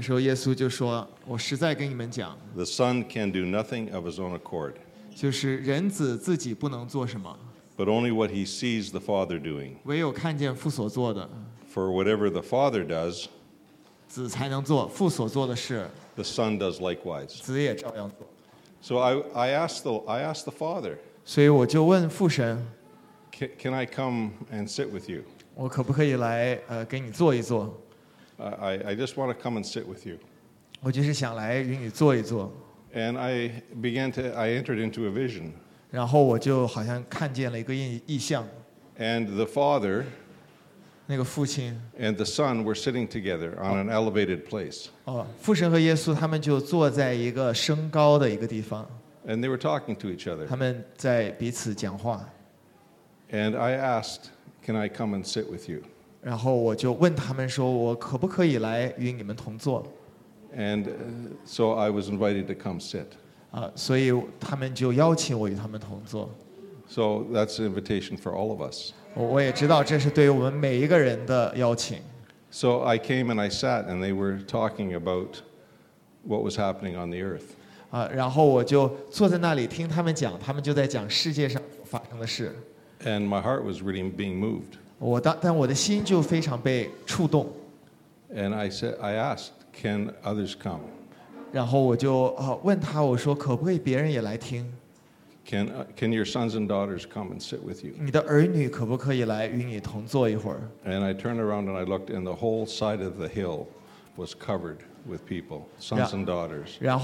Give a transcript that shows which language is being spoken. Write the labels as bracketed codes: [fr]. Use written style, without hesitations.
[zh] 那个时候耶稣就说，我实在跟你们讲， [en] the Son can do nothing of his own accord, [zh] 就是人子自己不能做什么， [en] but only what he sees the Father doing, [zh] 唯有看见父所做的， [en] for whatever the Father does, [zh] 子才能做， 父所做的事， [en] the Son does likewise, [zh] 子也照样做。 [en] So I asked the Father, [zh] 所以我就问父神， [en] can I come and sit with you? [zh] 我可不可以来, 给你坐一坐? [en] I just want to come and sit with you. [zh] 我就是想来与你坐一坐。 [en] And I entered into a vision. [zh] 然后我就好像看见了一个异象。 [en] And the Father [zh] 那个父亲, [en] and the Son were sitting together on an elevated place. [zh] 哦, 父神和耶稣他们就坐在一个升高的一个地方。 [en] And they were talking to each other. [zh] 他们在彼此讲话。 [en] And I asked, can I come and sit with you? [zh] 然后我就问他们说，我可不可以来与你们同坐？ [en] And so I was invited to come sit. [zh] 所以他们就邀请我与他们同坐。 [en] So that's an invitation for all of us. [zh] 我也知道这是对于我们每一个人的邀请。 [en] So I came and I sat, and they were talking about what was happening on the earth. [zh] 然后我就坐在那里听他们讲，他们就在讲世界上发生的事。 [en] And my heart was really being moved. [zh] 但我的心就非常被触动。 [en] And I asked, can others come? [zh] 然后我就问他，我说可不可以别人也来听？ [en] Can your sons and daughters come and sit with you? [zh] 你的儿女可不可以来与你同坐一会儿？ [en] And I turned around and I looked, and the whole side of the hill was covered with people, sons and daughters.